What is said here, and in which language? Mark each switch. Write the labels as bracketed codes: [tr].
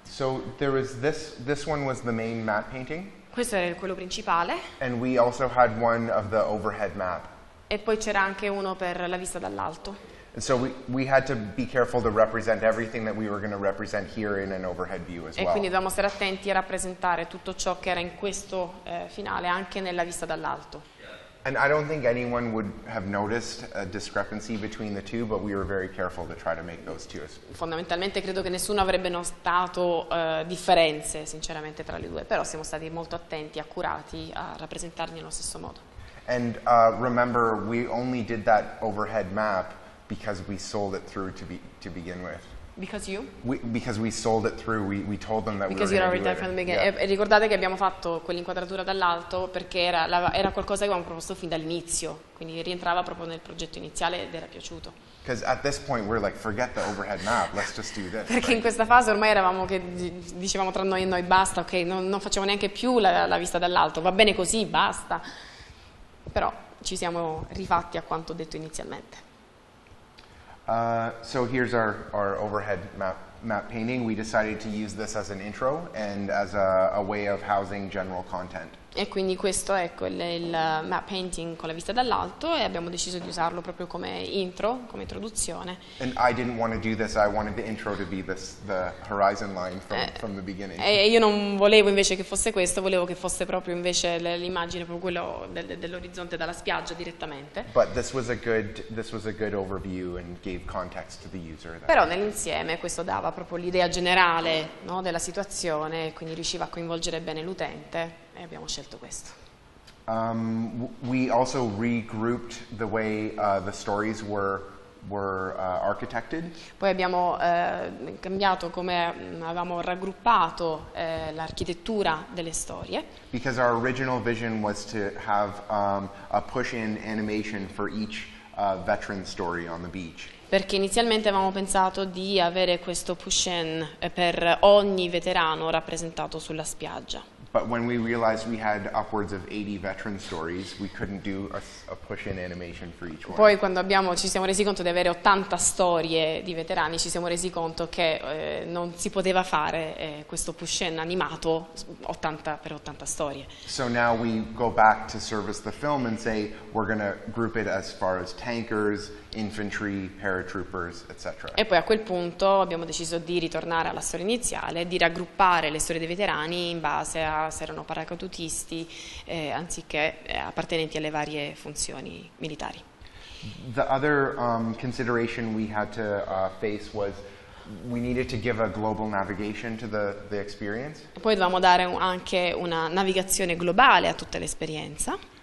[en] So there was this one was the main matte painting. [it] Questo era quello principale. [en] And we also had one of the overhead map. [it] E poi c'era anche uno per la vista dall'alto. [en] And so we had to be careful to represent everything that we were going to represent here in an overhead view as well. [it] E quindi dobbiamo stare attenti a rappresentare tutto ciò che era in questo finale anche nella vista dall'alto. [en] And I don't think anyone would have noticed a discrepancy between the two, but we were very careful to try to make those two. [it] Fondamentalmente credo che nessuno avrebbe notato differenze, sinceramente, tra le due, però siamo stati molto attenti, accurati a rappresentarli nello stesso modo. [en] And remember, we only did that overhead map because we sold it through to begin with. Because you? Because we sold it through, we told them that because we were going to do it. Because you already there from the beginning. Yeah. [it] Ricordate che abbiamo fatto quell'inquadratura dall'alto perché era qualcosa che avevamo proposto fin dall'inizio, quindi rientrava proprio nel progetto iniziale ed era piaciuto. [en] Because at this point we're like, forget the overhead map, let's just do this. [it] Perché in questa fase ormai eravamo che dicevamo tra noi e noi, basta, ok, non facciamo neanche più la vista dall'alto, va bene così, basta. Però ci siamo rifatti a quanto detto inizialmente. [en] So here's our overhead map painting. We decided to use this as an intro and as a way of housing general content. [it] E quindi questo è il map painting con la vista dall'alto e abbiamo deciso di usarlo proprio come intro, come introduzione. [en] And I didn't want to do this. I wanted the intro to be the horizon line from the beginning. [it] E io non volevo invece che fosse questo, volevo che fosse proprio invece l'immagine proprio quello dell'orizzonte dalla spiaggia direttamente. [en] But this was a good overview and gave context to the user. [it] Però nell'insieme questo dava proprio l'idea generale, no, della situazione e quindi riusciva a coinvolgere bene l'utente. E abbiamo scelto questo. [en] We also regrouped the way the stories were architected. [it] Poi abbiamo cambiato come avevamo raggruppato l'architettura delle storie. [en] Because our original vision was to have a push-in animation for each veteran story on the beach. [it] Perché inizialmente avevamo pensato di avere questo push-in per ogni veterano rappresentato sulla spiaggia. [en] But when we realized we had upwards of 80 veteran stories, we couldn't do a push-in animation for each one. [it] Poi quando ci siamo resi conto di avere 80 storie di veterani, ci siamo resi conto che non si poteva fare questo push-in animato 80 per 80 storie. [en] So now we go back to service the film and say we're going to group it as far as tankers, infantry, paratroopers, etc. [it] E poi a quel punto abbiamo deciso di ritornare alla storia iniziale, di raggruppare le storie dei veterani in base a se erano paracadutisti anziché appartenenti alle varie funzioni militari. [en] The other consideration we had to face was we needed to give a global navigation to the experience. [it] Poi dovevamo dare anche una navigazione globale a tutta l'esperienza.